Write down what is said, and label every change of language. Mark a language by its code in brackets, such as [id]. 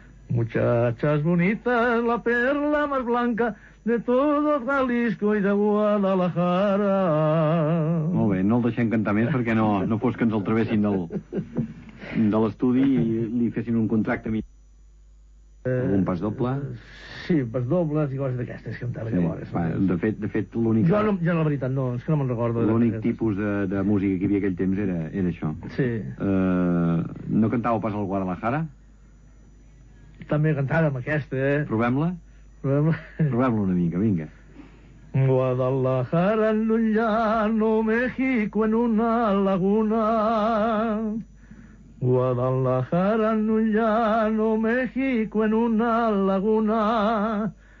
[es] Muchachas bonitas, la perla más blanca de todo Jalisco y de Guadalajara. [ca] Molt bé, no el deixem cantar més perquè no fos que ens el trobessin de l'estudi i li fessin un contracte a mi. Un pas doble? Sí, pas dobles i coses d'aquestes que em tava sí. Llavors. Va, de fet, l'únic... Jo, la veritat, no, és que no me'n recordo. L'únic tipus de música que hi havia aquell temps era això. Sí. No cantàveu pas al Guadalajara? També cantàvem aquesta, eh? Provem-la? Provem-la una mica, vinga. [es] Guadalajara en un llano, México en una laguna... Guadalajara en un llano, México en una laguna.